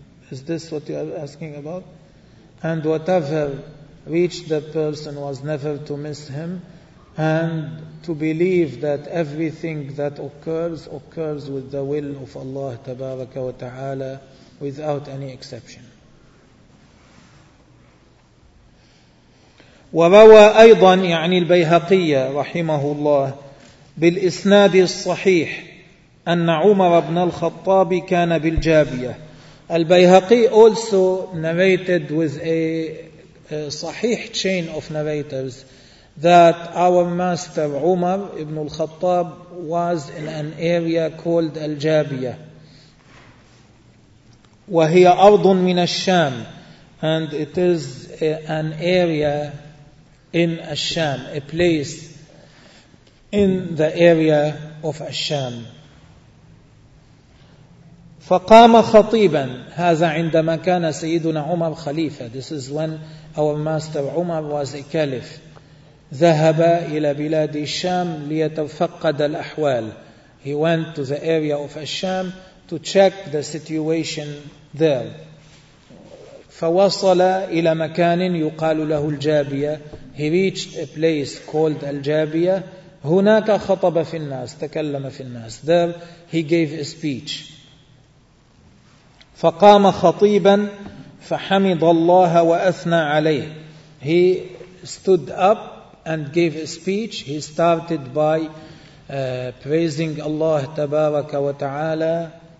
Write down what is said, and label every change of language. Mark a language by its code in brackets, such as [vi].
[en] Is this what you are asking about? And whatever reached the person was never to miss him. And to believe that everything that occurs, occurs with the will of Allah tabaraka wa ta'ala, without any exception. [ar] وروى أيضا يعني البيهقي رحمه الله بالإسناد الصحيح أن عمر بن الخطاب كان بالجابية. [en] البيهقي also narrated with a صحيح chain of narrators that our master Umar ibn al-Khattab was in an area called [ar] الجابية وهي أرض من الشام, [en] and it is an area in Ash-Sham, a place in the area of Ash-Sham. [ar] فقام خطيبا, هذا عندما كان سيدنا عمر خليفة. [en] This is when our master Umar was a caliph. [ar] ذهب إلى بلاد الشام ليتفقد الأحوال. [en] He went to the area of Ash-Sham to check the situation there. [ar] فوصل إلى مكان يقال له الجابية. [en] He reached a place called Al-Jabiya. [ar] هناك خطب في الناس, تكلم في الناس. [en] There he gave a speech. [ar] فقام خطيبا فحمد الله وأثنى عليه. [en] He stood up and gave a speech. He started by praising Allah [ar] تبارك وتعالى.